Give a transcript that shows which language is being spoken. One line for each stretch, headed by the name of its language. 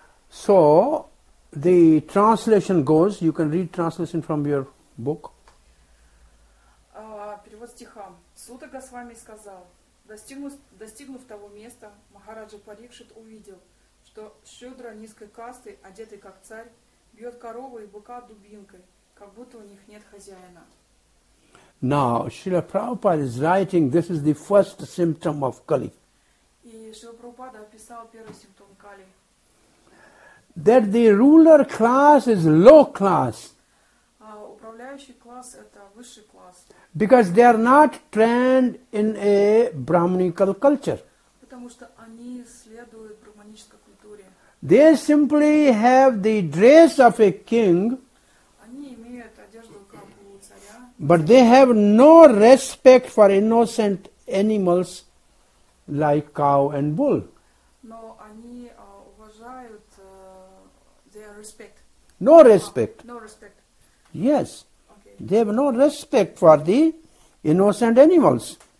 English: So, the translation goes, you can read translation from your book.
Russian: Перевод стиха. Сута Госвами сказал, достигнув того места, Махараджа Парикшит увидел, что Шудра низкой касты, одетый как царь, бьет корову и быка дубинкой, как будто у них нет хозяина.
English: Now, Srila Prabhupada is writing, this is the first symptom of Kali.
Russian: И Шрила Прабхупада описал первый симптом Кали.
English: That the ruler class is low class.
Russian: Управляющий класс – это высший класс.
English: Because they are not trained in a brahminical culture.
Russian: Потому что они следуют брахманической культуре.
English: They simply have the dress of a king.
Russian: Они имеют одежду как у царя.
English: But they have no respect for innocent animals like cow and bull.
Russian: Но они уважают
English: their respect. No respect. No respect. Yes. They have no respect for the innocent animals.